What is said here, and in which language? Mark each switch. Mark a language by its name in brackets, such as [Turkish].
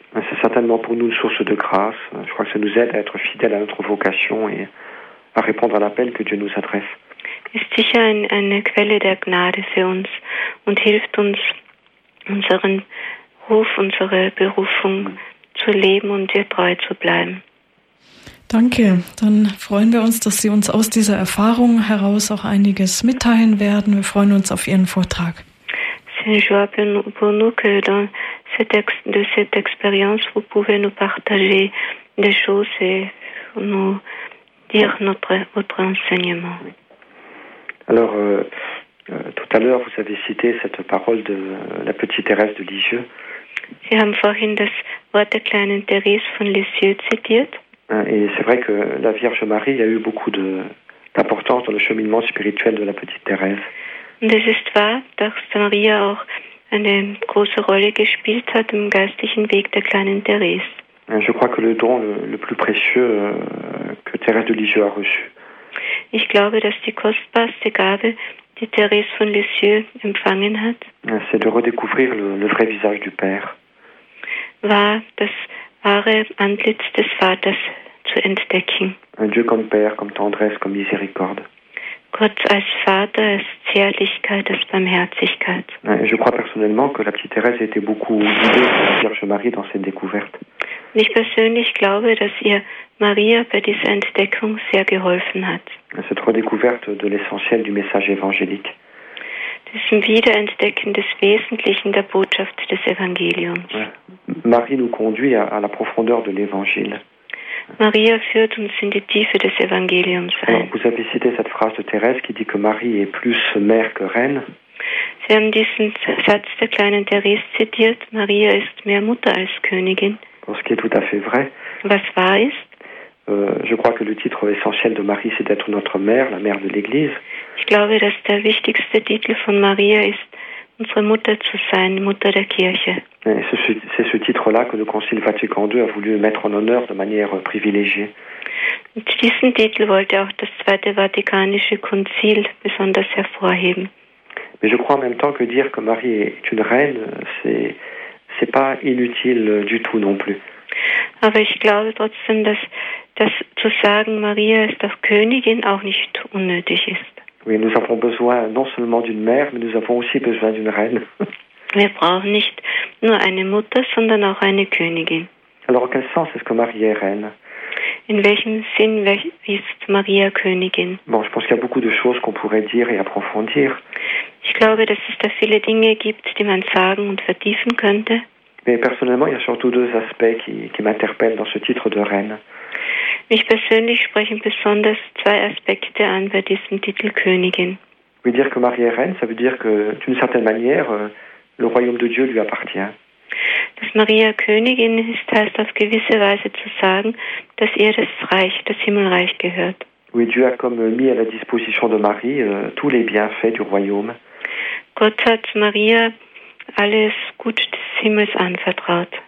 [French] C'est certainement pour nous une source de grâce. Je crois que ça nous aide à être fidèles à notre vocation et à répondre à l'appel que Dieu nous adresse. [German] Ist sicher eine Quelle der Gnade für uns und hilft uns, unseren Ruf, unsere Berufung zu leben und ihr treu zu bleiben. Danke. Dann freuen wir uns, dass Sie uns aus dieser Erfahrung heraus auch einiges mitteilen werden. Wir freuen uns auf Ihren Vortrag. [French] C'est une joie pour nous que dans cette expérience, vous pouvez nous partager des choses et nous dire votre enseignement. Alors, tout à l'heure, vous avez cité cette parole de la petite Thérèse de Lisieux. [German] Sie haben vorhin das Wort der kleinen Thérèse von Lisieux zitiert. [French] Et c'est vrai que la Vierge Marie a eu beaucoup d'importance dans le cheminement spirituel de la petite Thérèse. [German] Und es ist wahr, dass Maria auch eine große Rolle gespielt hat im geistlichen Weg der kleinen Thérèse. [French] Je crois que le don le plus précieux que Thérèse de Lisieux a reçu. [German] Ich glaube, dass die kostbarste Gabe, die Thérèse von Lisieux empfangen hat, [French] c'est de redécouvrir le vrai visage du Père. [German] War das wahre Antlitz des Vaters zu entdecken. [French] Un Dieu comme Père, comme tendresse, comme miséricorde. [German] Gott als Vater, als Zärtlichkeit, als Barmherzigkeit. [French] Je crois personnellement que la petite Thérèse était beaucoup guidée par la Vierge Marie dans cette découverte. [German] Ich persönlich glaube, dass ihr Maria bei dieser Entdeckung sehr geholfen hat. [French] Cette redécouverte de l'essentiel du message évangélique. [German] Diesem Wiederentdecken des Wesentlichen der Botschaft des Evangeliums. [French] Marie nous conduit à la profondeur de l'Évangile. [German] Maria führt uns in die Tiefe des Evangeliums ein. [French] Alors, vous avez cité cette phrase de Thérèse qui dit que Marie est plus mère que reine. [German] Sie haben diesen Satz der kleinen Thérèse zitiert. Maria ist mehr Mutter als Königin. [French] Ce qui est tout à fait vrai. [German] Was wahr ist? [French] Je crois que le titre essentiel de Marie, c'est d'être notre mère, la mère de l'Église. [German] Ich glaube, dass der wichtigste Titel von Maria ist, unsere Mutter zu sein, Mutter der Kirche. [French] C'est ce titre-là que le Concile Vatican II a voulu mettre en honneur de manière privilégiée. [German] Und diesen Titel wollte auch das Zweite Vatikanische Konzil besonders hervorheben. [French] Mais je crois en même temps que dire que Marie est une reine, c'est pas inutile du tout non plus. [German] Aber ich glaube trotzdem, dass das zu sagen, Maria ist auch Königin, auch nicht unnötig ist. [French] Oui, nous avons besoin non seulement d'une mère, mais nous avons aussi besoin d'une reine. [German] Wir brauchen nicht nur eine Mutter, sondern auch eine Königin. [French] Alors, en quel sens est-ce que Marie est reine? [German] In welchem Sinn ist Maria Königin? [French] Bon, je pense qu'il y a beaucoup de choses qu'on pourrait dire et approfondir. [German] Ich glaube, dass es da viele Dinge gibt, die man sagen und vertiefen könnte. [French] Mais personnellement, il y a surtout deux aspects qui m'interpellent dans ce titre de reine. [German] Mich persönlich sprechen besonders zwei Aspekte an bei diesem Titel Königin. Ich will [French] dire que Marie est reine, ça veut dire que d'une certaine manière le royaume de Dieu lui appartient. [German] Dass Maria Königin ist, heißt auf gewisse Weise zu sagen, dass ihr das Reich, das Himmelreich gehört. [French] Oui, Dieu a comme mis à la disposition de Marie tous les bienfaits du royaume. [German] Gott hat Maria alles Gut des Himmels anvertraut.